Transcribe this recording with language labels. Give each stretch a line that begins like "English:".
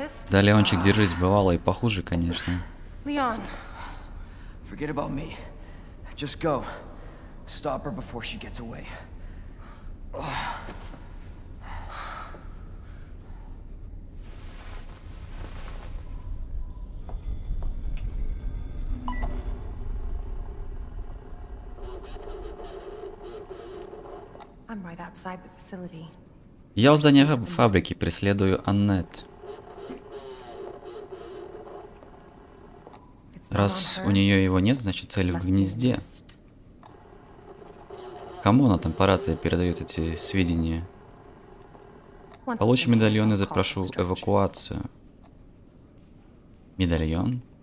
Russian: Да, Леончик, держись, бывало и похуже, конечно.
English: Leon. Forget about me. Just go. Stop her before she gets away. Ugh. I'm right outside the facility.
Russian: Я у здания фабрики преследую Аннет. Раз у нее его нет, значит цель в гнезде. Кому она там по рации передает эти сведения? Получи медальон и запрошу эвакуацию. Медальон?